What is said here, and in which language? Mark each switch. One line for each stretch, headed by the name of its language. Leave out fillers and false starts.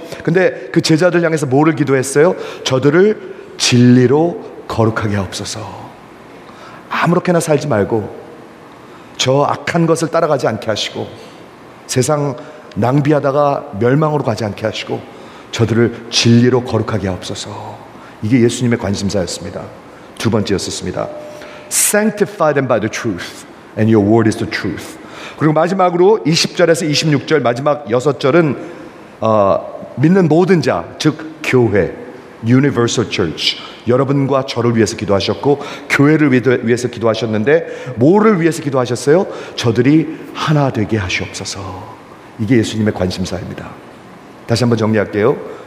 Korean: 근데 그 제자들 향해서 뭐를 기도했어요? 저들을 진리로 거룩하게 하옵소서. 아무렇게나 살지 말고 저 악한 것을 따라가지 않게 하시고 세상 낭비하다가 멸망으로 가지 않게 하시고 저들을 진리로 거룩하게 하옵소서. 이게 예수님의 관심사였습니다. 두 번째였었습니다.
English: Sanctify them by the truth and your word is the truth.
Korean: 그리고 마지막으로 20절에서 26절 마지막 6절은 믿는 모든 자, 즉 교회, Universal Church, 여러분과 저를 위해서 기도하셨고 교회를 위해서 기도하셨는데 뭐를 위해서 기도하셨어요? 저들이 하나 되게 하시옵소서. 이게 예수님의 관심사입니다. 다시 한번 정리할게요.